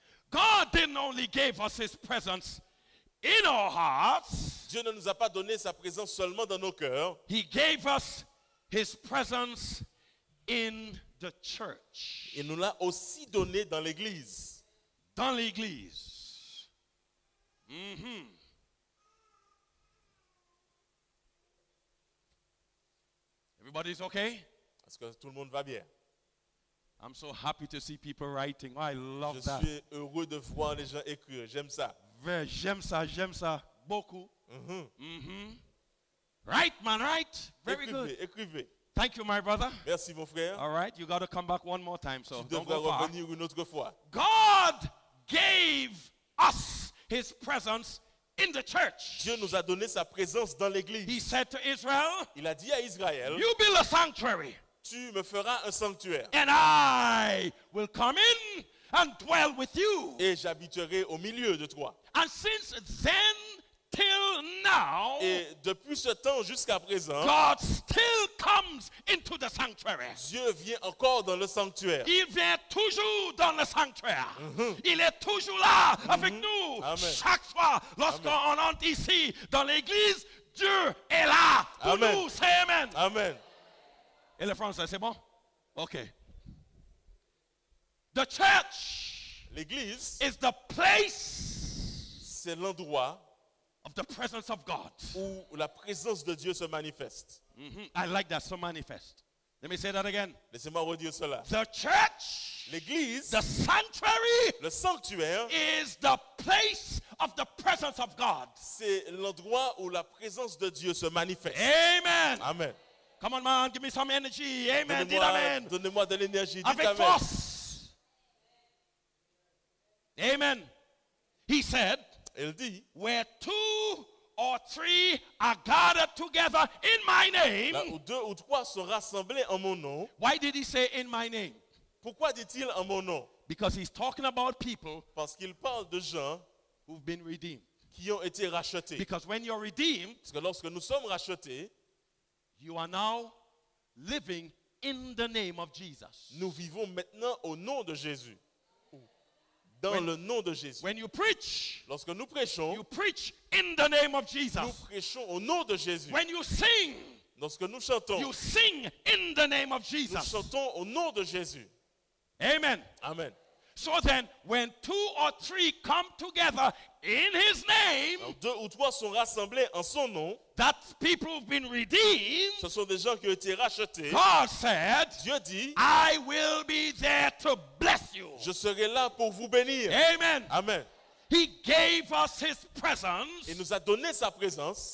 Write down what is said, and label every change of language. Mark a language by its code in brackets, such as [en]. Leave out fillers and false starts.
[en] God didn't only give us his presence in our hearts. [fr] Dieu ne nous a pas donné sa présence seulement dans nos cœurs. [en] He gave us his presence in the church. [fr] Il nous l'a aussi donné dans l'église. Dans l'église. [en] Everybody's okay? [fr] Est-ce que tout le monde va bien? [en] I'm so happy to see people writing. Oh, I love [fr] je [en] that. [fr] Je suis heureux de voir les gens écrire. J'aime ça. J'aime ça beaucoup. [en] Write, man, write. Very [fr] écrivez, [en] good. [fr] Écrivez. [en] Thank you, my brother. [fr] Merci, mon frère. [en] All right, you got to come back one more time, so [fr] tu [en] don't go far. [fr] Tu devrais revenir une autre fois. [en] God gave us his presence in the church. [fr] Dieu nous a donné sa présence dans l'église. [en] He said to Israel, [fr] il a dit à Israël, [en] you build a sanctuary. [fr] Tu me feras un sanctuaire. [en] And I will come in and dwell with you. [fr] Et j'habiterai au milieu de toi. [en] And since then till now, [fr] et depuis ce temps jusqu'à présent, [en] God still comes into the sanctuary. [fr] Dieu vient encore dans le sanctuaire. Il vient toujours dans le sanctuaire. Il est toujours là avec nous. Amen. Chaque fois, lorsqu'on entre ici dans l'église, Dieu est là pour amen. Nous. [en] Say amen. Amen. [fr] Et le français, c'est bon? Ok. [en] The church, [fr] l'église, [en] is the place, [fr] c'est l'endroit, [en] of the presence of God, [fr] où la présence de Dieu se manifeste. [en] I like that, so manifest. Let me say that again. [fr] Laissez-moi redire cela. [en] The church, [fr] l'église, [en] the sanctuary, [fr] le sanctuaire, [en] is the place of the presence of God. [fr] C'est l'endroit où la présence de Dieu se manifeste. Amen. Amen. [en] Come on, man, give me some energy. [fr] Amen. Dites amen. Donnez-moi de l'énergie. Avec amen. Force. [en] Amen. He said, [fr] il dit, [en] where two or three are gathered together in my name. [fr] Là où deux ou trois sont rassemblés en mon nom. [en] Why did he say in my name? [fr] Pourquoi dit-il en mon nom? [en] Because he's talking about people. [fr] Parce qu'il parle de gens [en] who've been redeemed. [fr] Qui ont été rachetés. [en] Because when you're redeemed, [fr] parce que lorsque nous sommes rachetés, [en] you are now living in the name of Jesus. [fr] Nous vivons maintenant au nom de Jésus. Dans le nom de Jésus. [en] When you preach, [fr] lorsque nous prêchons, [en] you preach in the name of Jesus. [fr] Nous prêchons au nom de Jésus. [en] When you sing, [fr] lorsque nous chantons, [en] you sing in the name of Jesus. [fr] Nous chantons au nom de Jésus. Amen. Amen. [en] So then, when two or three come together in his name, [fr] alors deux ou trois sont rassemblés en son nom, [en] that people have been redeemed, [fr] ce sont des gens qui ont été rachetés, [en] God said, [fr] Dieu dit, [en] I will be there to bless you. [fr] Je serai là pour vous bénir. Amen. Amen. [en] He gave us his presence, [fr] il nous a donné sa présence,